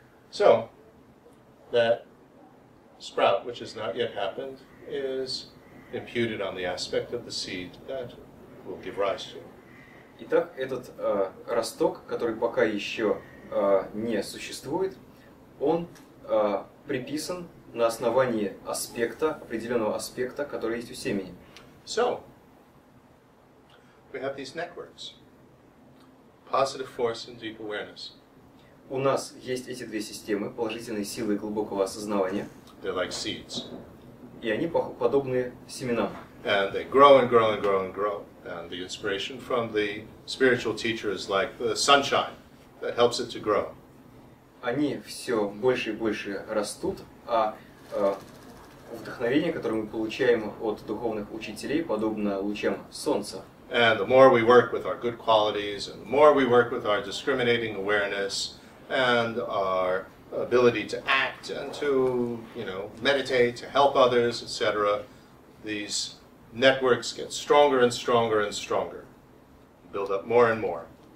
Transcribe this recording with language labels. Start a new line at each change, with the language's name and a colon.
English: So, that sprout, which has not yet happened, is imputed on the aspect of the seed that will give rise to it.
Russian: Итак, этот росток, который пока еще не существует, он приписан на основании аспекта, определенного аспекта, который есть у семени.
English: So, we have these networks, positive force and deep awareness.
Russian: У нас есть эти две системы, положительной силы и глубокого осознавания.
English: They're like seeds.
Russian: И они подобны семенам.
English: And they grow and grow and grow and grow. And the inspiration from the spiritual teacher is like the sunshine that helps it to grow.
Russian: Они все больше и больше растут, а вдохновение, которое мы получаем от духовных учителей, подобно лучам солнца.
English: And the more we work with our good qualities, and the more we work with our discriminating awareness, and our ability to act and to, you know, meditate, to help others, etc., these networks get stronger and stronger and stronger, build up more and more.